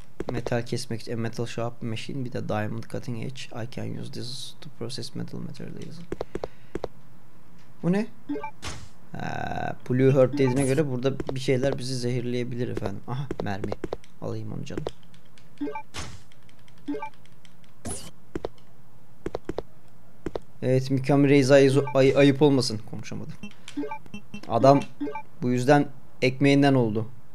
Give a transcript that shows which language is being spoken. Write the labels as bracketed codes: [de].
[tr] metal kesmek için, [en] metal sharp machine, [tr] bir de [en] diamond cutting edge. I can use this to process metal materials. [tr] Bu ne? Blue Herb dediğine göre burada bir şeyler bizi zehirleyebilir efendim. Aha, mermi. Alayım onu canım. Evet, Mikam Reza ayıp olmasın. Konuşamadım. Adam bu yüzden ekmeğinden oldu.